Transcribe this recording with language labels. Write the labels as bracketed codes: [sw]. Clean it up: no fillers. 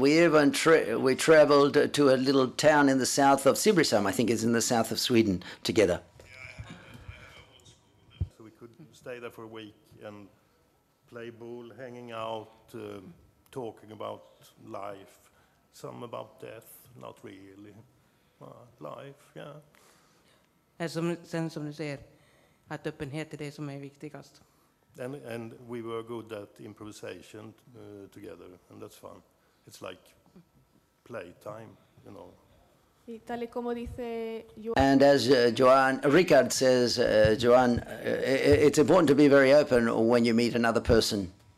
[en] We even traveled to a little town in the south of Sibrisam, I think it's in the south of Sweden, together. So we could stay there for a week and play ball, hanging out, talking about life, some about death, not really, but life, yeah. [sv] Sen som du säger, att öppenhet är det som är viktigast. [en] And we were good at improvisation together, and that's fun. It's like playtime, you know. And as Richard says, Joan, it's important to be very open when you meet another person.